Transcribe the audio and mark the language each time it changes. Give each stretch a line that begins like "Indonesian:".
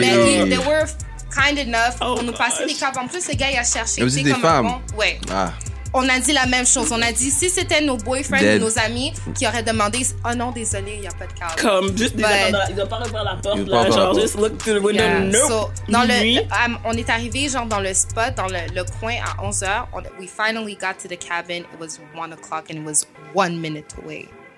French: Mais
English: they were kind enough
French: pour nous passer des caves. En plus, le gars, il a cherché. Vous êtes des femmes? Ouais. Ah. On a dit la même chose. On a dit si c'était nos boyfriends ou nos amis qui auraient demandé, oh non, désolé, il n'y a pas de cave. Comme, juste des gens, ils n'ont pas ouvert la porte. Là, genre,
English: just porte. Look through the window. Yeah. Nope. So,
French: on est arrivé genre dans le spot, dans le coin à 11h.
English: We finally got to the cabin. It was 1 o'clock and it was 1 minute away.